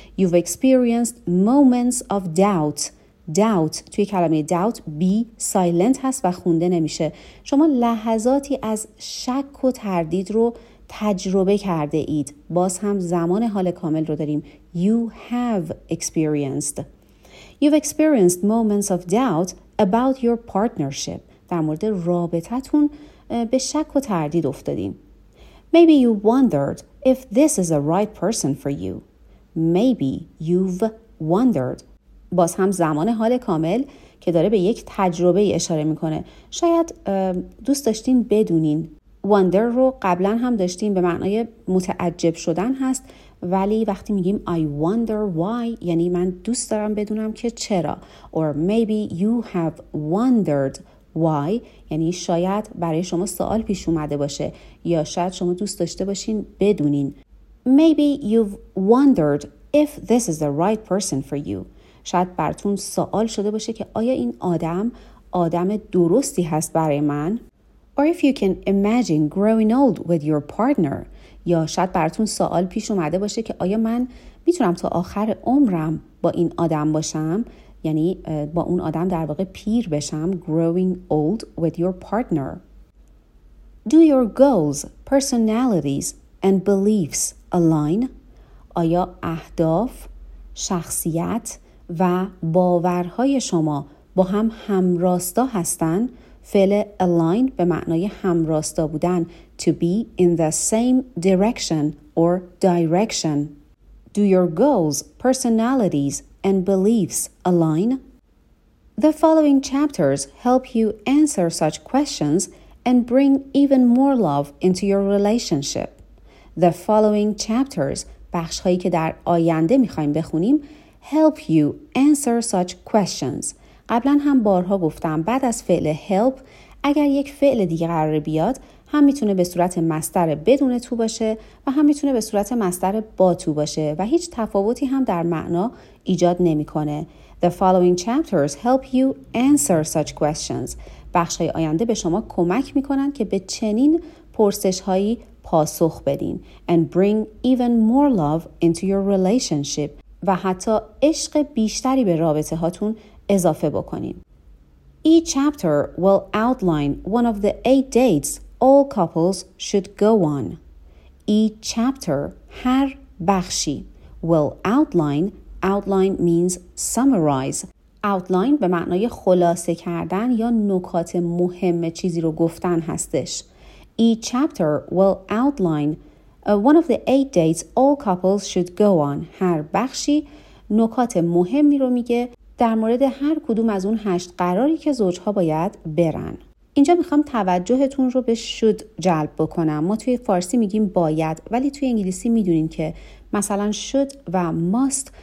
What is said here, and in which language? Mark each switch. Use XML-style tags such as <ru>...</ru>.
<en>You've experienced moments of doubt. Doubt</en> <fa>توی کلمه doubt be silent هست و خونده نمیشه. شما لحظاتی از شک و تردید رو تجربه کرده اید. باز هم زمان حال کامل رو داریم.</fa> <en>You have experienced. You've experienced moments of doubt about your partnership.</en> <fa>در مورد رابطتون به شک و تردید افتادیم.</fa> <en>Maybe you wondered if this is the right person for you. Maybe you've wondered.</en> <fa>باز هم زمان حال کامل که داره به یک تجربه اشاره میکنه. شاید دوست داشتین بدونین. Wonder رو قبلا هم داشتیم, به معنای متعجب شدن هست, ولی وقتی میگیم</fa> <en>I wonder why,</en> <fa>یعنی من دوست دارم بدونم که چرا.</fa> <en>Or maybe you have wondered why,</en> <fa>یعنی شاید برای شما سوال پیش اومده باشه یا شاید شما دوست داشته باشین بدونین.</fa> <en>Maybe you've wondered if this is the right person for you.</en> <fa>شاید براتون سوال شده باشه که آیا این آدم درستی هست برای من.</fa> <en>Or if you can imagine growing old with your partner.</en> <fa>یا شاید براتون سوال پیش اومده باشه که آیا من میتونم تا آخر عمرم با این آدم باشم, یعنی با اون آدم در واقع پیر بشم.</fa> <en>Growing old with your partner. Do your goals, personalities and beliefs align?</en> <fa>آیا اهداف, شخصیت و باورهای شما با هم همراستا هستن؟ فعل align به معنای همراستا بودن,</fa> <en>to be in the same direction or direction. Do your goals, personalities and beliefs align? The following chapters help you answer such questions and bring even more love into your relationship. The following chapters,</en> <fa>بخش هایی که در آینده میخواییم بخونیم,</fa> <en>help you answer such questions.</en> <fa>قبلا هم بارها گفتم بعد از فعل help اگر یک فعل دیگه قرار بیاد, هم میتونه به صورت مصدر بدون تو باشه و هم میتونه به صورت مصدر با تو باشه و هیچ تفاوتی هم در معنا ایجاد نمیکنه.</fa> <en>The following chapters help you answer such questions.</en> <fa>بخش‌های آینده به شما کمک میکنن که به چنین پرسش‌هایی پاسخ بدین.</fa> <en>And bring even more love into your relationship.</en> <fa>و حتی عشق بیشتری به رابطه هاتون اضافه بکنین.</fa> <en>Each chapter will outline one of the 8 dates all couples should go on. Each chapter,</en> <fa>هر بخشی,</fa> <en>will outline. Outline means summarize.</en> <fa>Outline به معنای خلاصه کردن یا نکات مهم چیزی رو گفتن هستش.</fa> <en>Each chapter will outline one of the 8 dates all couples should go on.</en> <fa>هر بخشی نکات مهمی رو میگه در مورد هر کدوم از اون 8 قراری که زوجها باید برن. اینجا میخوام توجهتون رو به should جلب بکنم. ما توی فارسی میگیم باید, ولی توی انگلیسی میدونین که مثلا should و must</fa>